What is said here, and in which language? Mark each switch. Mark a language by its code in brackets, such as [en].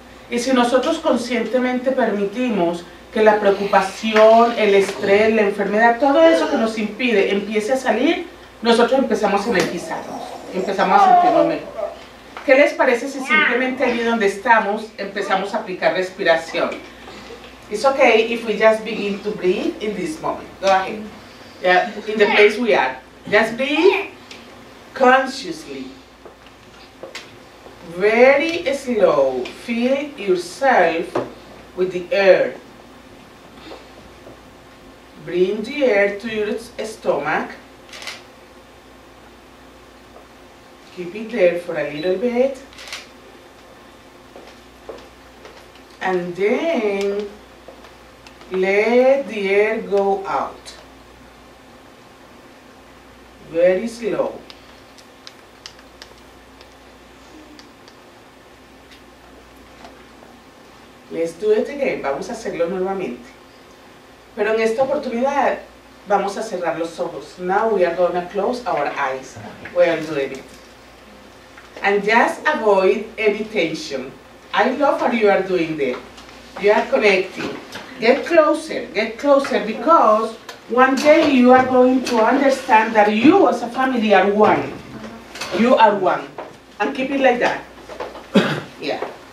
[es] Y si nosotros conscientemente permitimos que la preocupación, el estrés, la enfermedad, todo eso que nos impide empiece a salir, nosotros empezamos a energizarnos, empezamos a sentirnos mejor. ¿Qué les parece si simplemente allí donde estamos empezamos a aplicar respiración? [en] It's okay if we just begin to breathe in this moment. Go ahead. Yeah, in the place we are. Just be consciously. Very slow. Feel yourself with the air. Bring the air to your stomach. Keep it there for a little bit. And then let the air go out. Very slow. Let's do it again. [es] Vamos a hacerlo nuevamente. Pero en esta oportunidad, vamos a cerrar los ojos. [en] Now we are going to close our eyes. We are doing it. And just avoid any tension. I love how you are doing that. You are connecting. Get closer, get closer, because one day you are going to understand that you as a family are one. You are one. And keep it like that. Yeah.